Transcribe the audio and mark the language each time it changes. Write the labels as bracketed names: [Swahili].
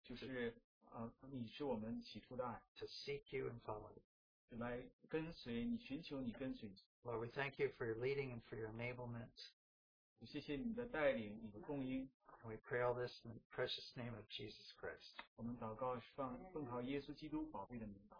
[Chinese] 我们知道呢，最重要的事情就是，你是我们起初的爱。 [English] To seek you and follow you. [Chinese] 来跟随你，寻求你，跟随你。 [English] Lord, we thank you for your leading and for your enablement. [Chinese] 谢谢你的带领，你的供应。 [English] We pray all this in the precious name of Jesus Christ. [Chinese] 我们祷告，奉靠耶稣基督宝贵的名祷。